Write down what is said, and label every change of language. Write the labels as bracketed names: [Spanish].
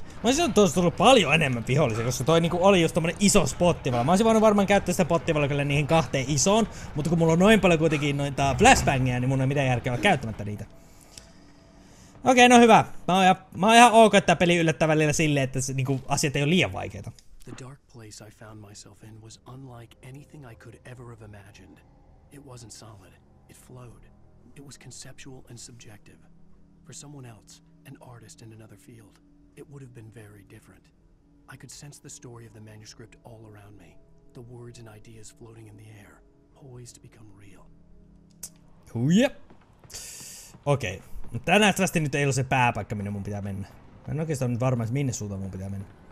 [Finnish] Mä oisin sanonut, että tullut paljon enemmän vihollisia, koska toi niinku oli just tommonen iso spottivalo. Mä oisin voinut varmaan käyttää sitä spottivalkoilla niihin kahteen isoon, mutta kun mulla on noin paljon kuitenkin noita flashbangeja, niin mun ei mitään järkeä olla käyttämättä niitä. Okei, no hyvä. Mä oon ihan ok, että tää peli yllättää välillä silleen, että se, niinku, asiat ei ole liian vaikeita. [English] The dark place I found myself in was unlike anything I could ever have imagined. It wasn't solid. It flowed. It was conceptual and subjective. For someone else, an artist in another field, it would have been very different. I could sense the story of the manuscript all around me. The words and ideas floating in the air, poised to become real. Ooh, yep. Okei. Okay. [Finnish] Tää nähtävästi nyt ei ole se pääpaikka, minne mun pitää mennä. Mä en oikeastaan nyt varma, minne suuntaan mun pitää mennä.